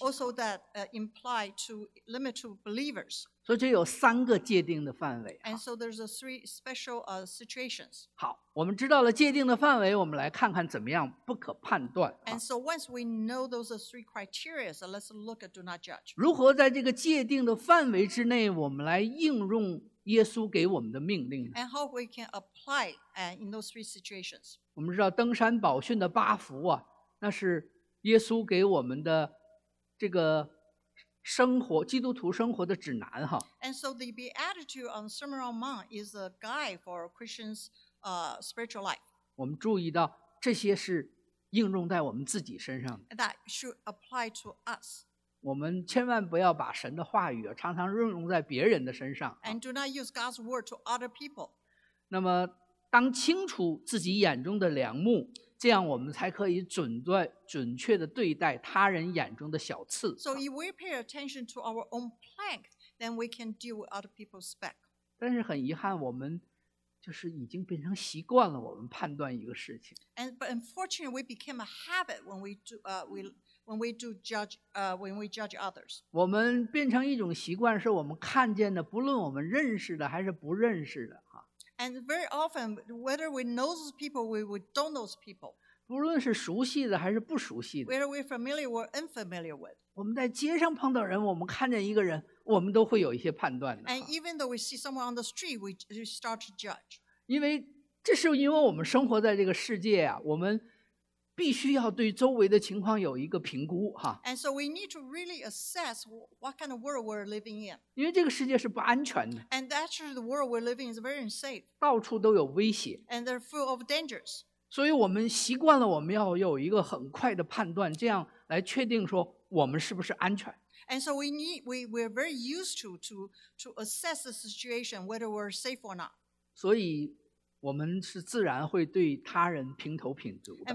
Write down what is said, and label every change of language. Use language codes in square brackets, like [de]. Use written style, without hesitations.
[en] ，and also that imply to limit to believers， [zh] 所以这有三个界定的范围 [en] ，and so there's a three special situations。 [zh] 好，我们知道了界定的范围，我们来看看怎么样不可判断。 [en] And so once we know those are three criteria, so let's look at do not judge。 [zh] 如何在这个界定的范围之内，我们来应用耶稣给我们的命令 [en] ？And how we can apply in those three situations？ [zh] 我们知道登山宝训的八福啊，那是耶稣给我们的这个生活，基督徒生活的指南哈。 [en] And so the Beatitude on the Sermon on the Mount is a guide for Christians。 Spiritual life. [zh] 我们注意到这些是应用在我们自己身上的。 [en] That should apply to us. [zh] 我们千万不要把神的话语常常应用在别人的身上。 [en] And do not use God's word to other people. [zh] 那么，当清楚自己眼中的良木，这样我们才可以准确的对待他人眼中的小刺。 [en] So if we pay attention to our own plank, then we can deal with other people's speck. [zh] 但是很遗憾，我们就是已经变成习惯了，我们判断一个事情。 [en] And but unfortunately, we became a habit when we do when we judge others. [zh] 我们变成一种习惯，是我们看见的，不论我们认识的还是不认识的，哈。 [en] And very often, whether we know those people, we don't know those people. [zh] 不论是熟悉的还是不熟悉的。 [en] Whether we're familiar or unfamiliar with. [zh] 我们在街上碰到人，我们看见一个人。我们都会有一些判断的。 [en] And even though we see someone on the street, we start to judge. [zh] 因为这是因为我们生活在这个世界啊，我们必须要对周围的情况有一个评估哈。 [en] And so we need to really assess what kind of world we're living in. [zh] 因为这个世界是不安全的。 [en] And actually, the world we're living in is very unsafe. [zh] 到处都有威胁。 [en] And they're full of dangers. [zh] 所以我们习惯了我们要有一个很快的判断，这样来确定说我们是不是安全。 [en] And so we're very used to assess the situation whether we're safe or not. [zh] 所以我们是自然会对他人评头评足的。